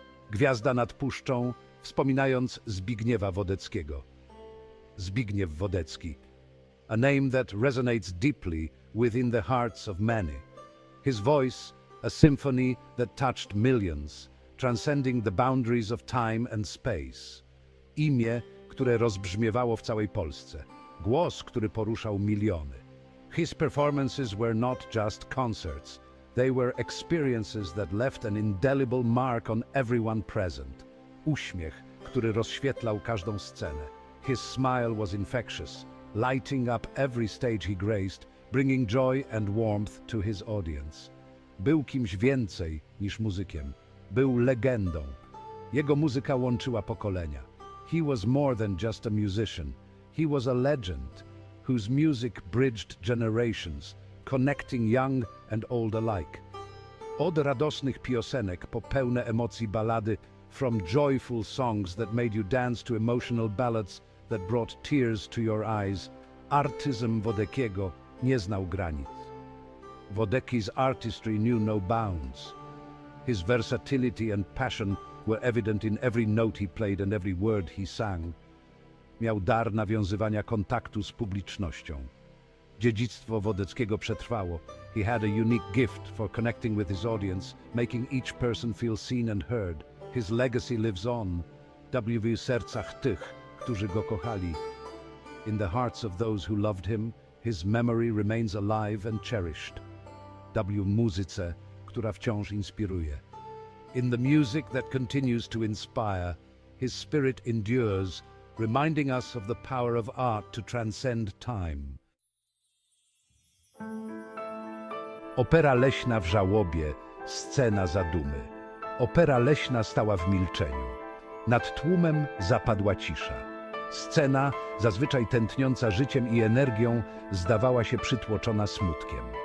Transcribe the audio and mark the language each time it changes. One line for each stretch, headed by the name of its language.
Polish: Gwiazda nad Puszczą, wspominając Zbigniewa Wodeckiego. Zbigniew Wodecki.
English: A name that resonates deeply within the hearts of many. His voice, a symphony that touched millions, transcending the boundaries of time and space.
Polish: Imię, które rozbrzmiewało w całej Polsce. Głos, który poruszał miliony.
English: His performances were not just concerts. They were experiences that left an indelible mark on everyone present.
Polish: Uśmiech, który rozświetlał każdą scenę.
English: His smile was infectious, lighting up every stage he graced, bringing joy and warmth to his audience.
Polish: Był kimś więcej niż muzykiem. Był legendą. Jego muzyka łączyła pokolenia.
English: He was more than just a musician. He was a legend whose music bridged generations, connecting young and old alike.
Polish: Od radosnych piosenek po pełne emocji balady,
English: from joyful songs that made you dance to emotional ballads that brought tears to your eyes,
Polish: artyzm Wodeckiego nie znał granic.
English: Wodecki's artistry knew no bounds. His versatility and passion were evident in every note he played and every word he sang.
Polish: Miał dar nawiązywania kontaktu z publicznością. Dziedzictwo Wodeckiego przetrwało.
English: He had a unique gift for connecting with his audience, making each person feel seen and heard. His legacy lives on.
Polish: W sercach tych, którzy go kochali.
English: In the hearts of those who loved him, his memory remains alive and cherished.
Polish: W muzyce, która wciąż inspiruje.
English: In the music that continues to inspire, his spirit endures, reminding us of the power of art to transcend time.
Polish: Opera leśna w żałobie, scena zadumy. Opera leśna stała w milczeniu. Nad tłumem zapadła cisza. Scena, zazwyczaj tętniąca życiem i energią, zdawała się przytłoczona smutkiem.